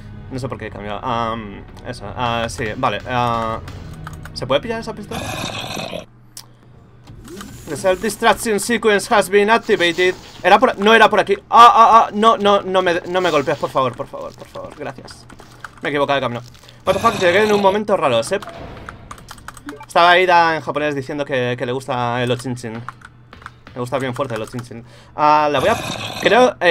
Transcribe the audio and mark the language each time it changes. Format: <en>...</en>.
<es>No sé por qué he cambiado. Eso. Sí, vale. ¿Se puede pillar esa pistola?</es> <en>The self-destruction sequence has been activated.</en> <es>¿Era por...? No era por aquí. No me golpees, por favor, por favor, por favor. Gracias. Me he equivocado de camino.</es> <en>What the fuck?</en> <es>Llegué en un momento raro, ¿sep? Estaba Ida en japonés diciendo que le gusta el Ochinchin. Me gusta bien fuerte el Ochinchin. La voy a... Creo...</es>